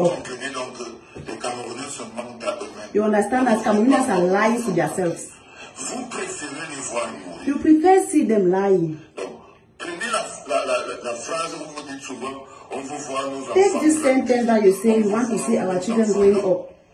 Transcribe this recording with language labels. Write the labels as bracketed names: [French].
[French] Vous comprenez donc que les Camerounais se mentent à eux-mêmes. [English] You understand that Cameroonians are lying to themselves. [French] Vous préférez les voir mourir. [English] You prefer to see them lying. [French] Donc, prenez la phrase où vous dites souvent, on veut voir nos enfants. [English] Take this sentence that you say you want to see our children growing up.